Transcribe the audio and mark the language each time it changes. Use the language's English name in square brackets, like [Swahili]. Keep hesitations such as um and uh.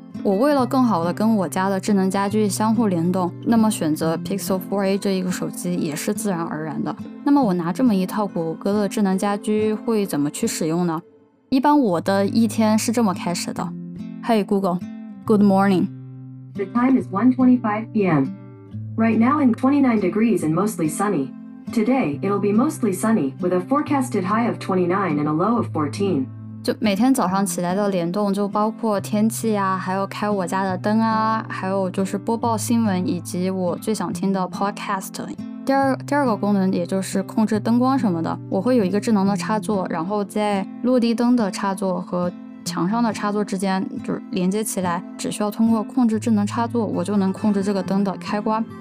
[Chinese] 我为了更好的跟我家的智能家居相互联动，那么选择 Pixel 4a 这一个手机也是自然而然的。那么我拿这么一套谷歌的智能家居会怎么去使用呢？一般我的一天是这么开始的， [English] Hey Google，Good morning。 The time is 1:25 p.m. right now. i t 29 degrees and mostly sunny. Today it'll be mostly sunny with a forecasted high of 29 and a low of 14. [Chinese] 就每天早上起来的联动，就包括天气啊，还有开我家的灯啊，还有就是播报新闻以及我最想听的 Podcast。第二第二个功能，也就是控制灯光什么的，我会有一个智能的插座，然后在落地灯的插座和墙上的插座之间就是连接起来，只需要通过控制智能插座，我就能控制这个灯的开关。